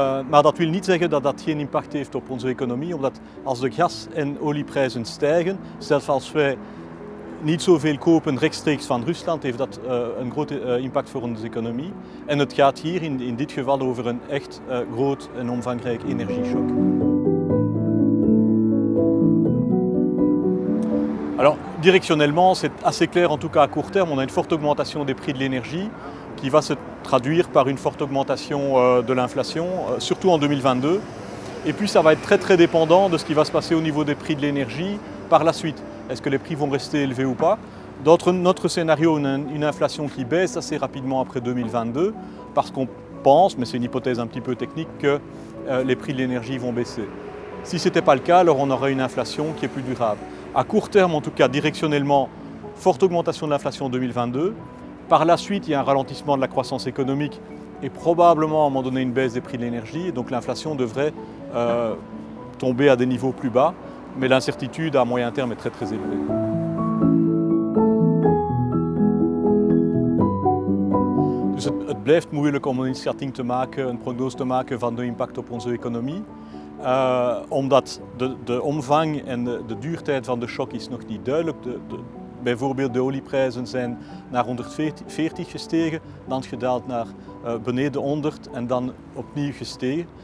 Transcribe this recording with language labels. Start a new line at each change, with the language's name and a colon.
Dutch: Maar dat wil niet zeggen dat dat geen impact heeft op onze economie, omdat als de gas- en olieprijzen stijgen, zelfs als wij niet zoveel kopen rechtstreeks van Rusland, heeft dat een grote impact voor onze economie. En het gaat hier in dit geval over een echt groot en omvangrijk energieshock.
French: Alors, directionnellement, c'est assez clair, en tout cas à court terme, on a une forte augmentation des prix de l'énergie qui va se traduire par une forte augmentation de l'inflation, surtout en 2022. Et puis ça va être très très dépendant de ce qui va se passer au niveau des prix de l'énergie par la suite. Est-ce que les prix vont rester élevés ou pas? Dans notre scénario, on a une inflation qui baisse assez rapidement après 2022 parce qu'on pense, mais c'est une hypothèse un petit peu technique, que les prix de l'énergie vont baisser. Si ce n'était pas le cas, alors on aurait une inflation qui est plus durable. À court terme, en tout cas, directionnellement, forte augmentation de l'inflation en 2022. Par la suite, il y a un ralentissement de la croissance économique et probablement, à un moment donné, une baisse des prix de l'énergie. Donc l'inflation devrait tomber à des niveaux plus bas. Mais l'incertitude à moyen terme est très, très élevée.
Dutch: Dus het blijft moeilijk om een inschatting te maken, een prognose te maken van de impact op onze economie. Omdat de omvang en de duurtijd van de shock is nog niet duidelijk. Bijvoorbeeld de olieprijzen zijn naar 140 gestegen, dan gedaald naar beneden 100 en dan opnieuw gestegen.